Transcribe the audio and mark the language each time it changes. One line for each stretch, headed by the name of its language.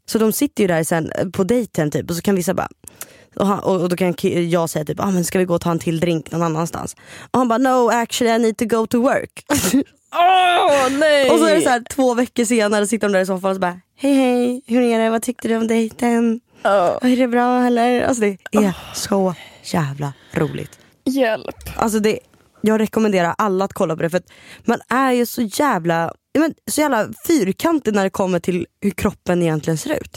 Swedish: Så de sitter ju där sen på dejten typ, och så kan vissa bara, och då kan jag säga typ, men ska vi gå och ta en till drink någon annanstans? Och han bara,
English: no, actually I need to go to work.
Swedish: nej! Och så är det så här, 2 veckor senare sitter de där i soffan och så bara, hej hej, hur är det, vad tyckte du om dejten? Är det bra heller? Alltså det är så jävla roligt. Hjälp. Alltså jag rekommenderar alla att kolla på det. För att man är ju så jävla, så jävla fyrkantig när det kommer till hur kroppen egentligen ser ut.